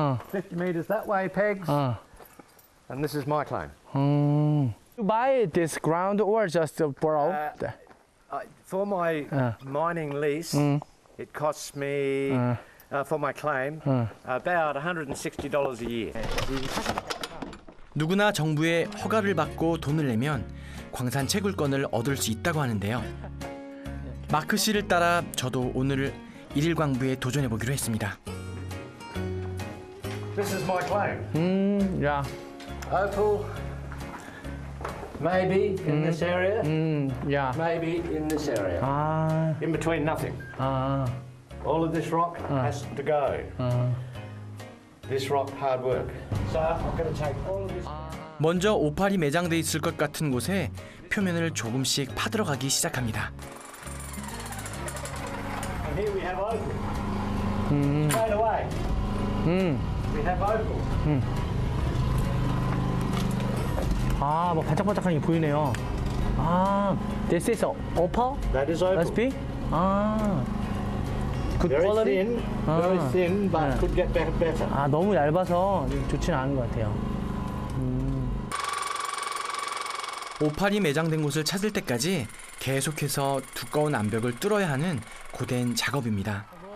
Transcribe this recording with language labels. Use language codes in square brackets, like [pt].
[en] 50 meters that way, pegs. And this is my claim. To buy this ground or just to borrow? For my mining lease, it costs me, for my claim, about $160 a year. [ko] 누구나 정부의 허가를 받고 돈을 내면 광산 채굴권을 얻을 수 있다고 하는데요. 마크 씨를 따라 저도 오늘 일일 광부에 도전해 보기로 했습니다. [en] This is my claim. Yeah. Opal. Maybe in this area. Yeah. Maybe in this area. In between nothing. All of this rock has to go. This rock hard work. So I'm going to take all of this. [ko] 먼저 오팔이 매장돼 있을 것 같은 곳에 표면을 조금씩 파들어가기 시작합니다. [en] Here we have opal. Straight away. We have opal. [ko] 아, 뭐 반짝반짝한 게 보이네요. [en] 아, this is opal. That is opal. Must be. 아, good very quality. Thin, very thin, but could get better. [ko] 아, 너무 얇아서 좋지는 않은 것 같아요. 오팔이 매장된 곳을 찾을 때까지 계속해서 두꺼운 암벽을 뚫어야 하는 고된 작업입니다.